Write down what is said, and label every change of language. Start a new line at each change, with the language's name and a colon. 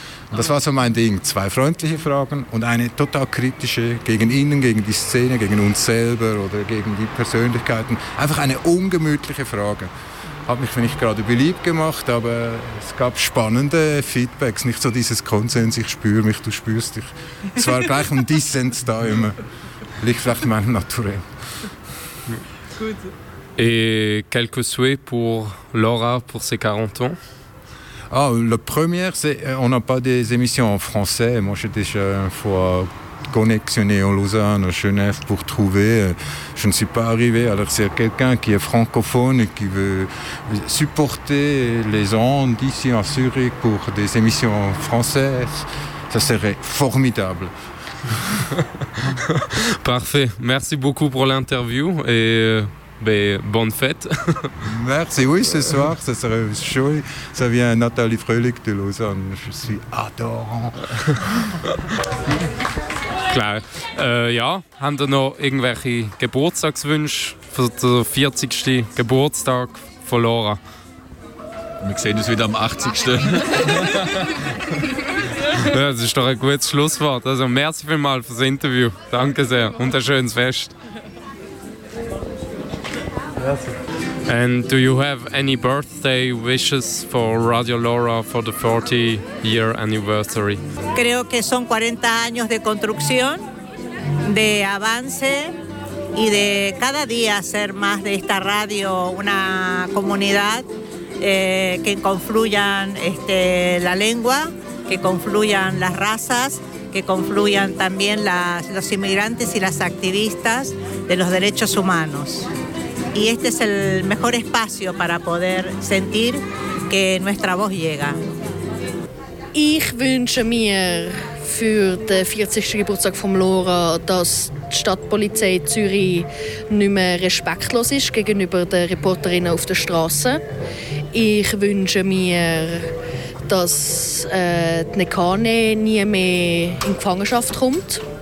German: Und das war so mein Ding. Zwei freundliche Fragen und eine total kritische gegen ihn, gegen die Szene, gegen uns selber oder gegen die Persönlichkeiten. Einfach eine ungemütliche Frage. Hat mich nicht gerade beliebt gemacht, aber es gab spannende Feedbacks. Nicht so dieses Konsens, ich spüre mich, du spürst dich. Es war gleich ein Dissens da immer. Liegt vielleicht in meiner Natur. Gut.
French: Et quelques souhaits pour Laura pour ses 40 ans? Ah, le premier, c'est, on n'a pas des émissions en français. Moi, j'ai déjà une fois connexionné en Lausanne, à Genève pour trouver. Je ne suis pas arrivé. Alors c'est quelqu'un qui est francophone et qui veut supporter les ondes ici en Zurich pour des émissions françaises. Ça serait formidable. Parfait. Merci beaucoup pour l'interview et bonne fête. Merci. Oui, ce soir, ça serait chouette. Ça vient Nathalie Fröhlich de Lausanne. Je suis adorant.
German: Klar. Ja, habt ihr noch irgendwelche Geburtstagswünsche für den 40. Geburtstag von Laura? Wir sehen uns wieder am 80. Ja, das ist doch ein gutes Schlusswort. Also, merci vielmals für das Interview. Danke sehr und ein schönes Fest.
English: And do you have any birthday wishes for Radio Laura for the 40-year anniversary?
Spanish: Creo que son 40 años de construcción, de avance y de cada día hacer más de esta radio una comunidad que confluyan la lengua, que confluyan las razas, que confluyan también los inmigrantes y las activistas de los derechos humanos. Y este es el mejor espacio para poder sentir que nuestra voz llega.
German: Ich wünsche mir für den 40. Geburtstag von Laura, dass die Stadtpolizei Zürich nicht mehr respektlos ist gegenüber den Reporterinnen auf der Straße. Ich wünsche mir, dass die Nekane nie mehr in Gefangenschaft kommt.